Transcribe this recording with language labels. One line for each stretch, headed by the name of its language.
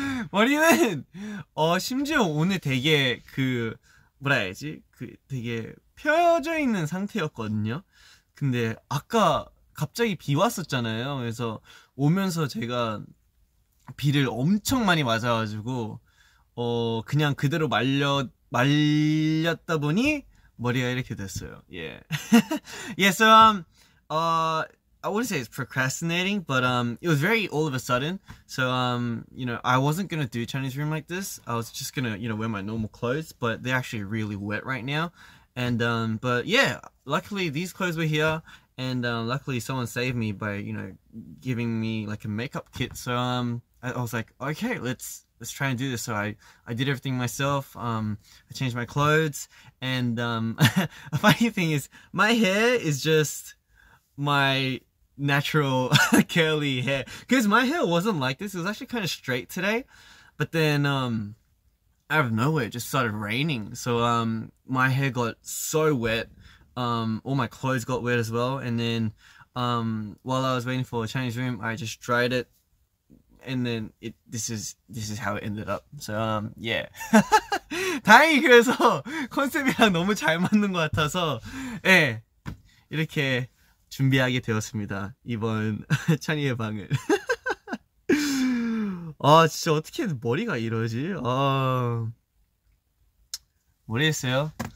Korean: 머리는 심지어 오늘 되게 그 뭐라 해야지 그 되게 펴져 있는 상태였거든요. 근데 아까 갑자기 비 왔었잖아요. 그래서 오면서 제가 비를 엄청 많이 맞아가지고 그냥 그대로 말렸다 보니 머리가 이렇게 됐어요. 예.
English: Yeah, so I wouldn't say it's procrastinating, but it was very all of a sudden. So you know, I wasn't gonna do Chinese Room like this. I was just gonna, you know, wear my normal clothes, but they're actually really wet right now. And but yeah, luckily these clothes were here, and luckily someone saved me by, you know, giving me like a makeup kit. So I was like, okay, let's try and do this. So I did everything myself. I changed my clothes, and a funny thing is my hair is just my natural curly hair, because my hair wasn't like this. It was actually kind of straight today, but then out of nowhere it just started raining, so my hair got so wet. All my clothes got wet as well, and then while I was waiting for a Chinese Room, I just dried it, and then this is how it ended up. So yeah.
Korean: 다행히 그래서 컨셉이랑 너무 잘 맞는 것 같아서 예 이렇게 준비하게 되었습니다. 이번 찬이의 방을. 아 진짜 어떻게 머리가 이러지? 아 모르겠어요.